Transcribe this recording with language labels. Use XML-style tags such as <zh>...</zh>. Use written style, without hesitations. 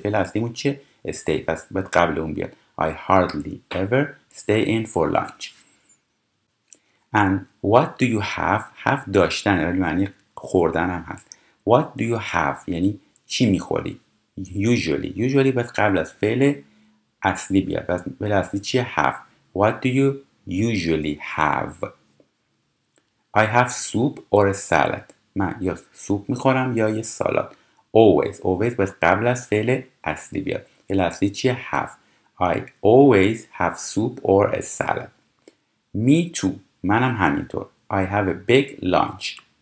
<fa>فعل اصلیمون چیه؟ stay. پس باید قبل اون بیاد.</fa> <en>I hardly ever stay in for lunch. And what do you have?</en> <fa>Have داشتن ولی معنی خوردن هم هست.</fa> <en>What do you have?</en> <fa>یعنی چی میخوری؟</fa> <en>Usually.</en> <fa>Usually باید قبل از فعل اصلی بیاد. پس فعل اصلی چیه؟ Have.</fa> <en>What do you usually have? I have soup or a salad.</en> <fa>من یا سوپ میخورم یا یه سالاد.</fa> <en>Always.</en> <fa>Always باید قبل از فعل اصلی بیاد. فعل اصلی چیه؟</fa> <en>Have. I always have soup or a salad. Me too.</en> <fa>منم همینطور.</fa> <en>I have a big lunch.</en>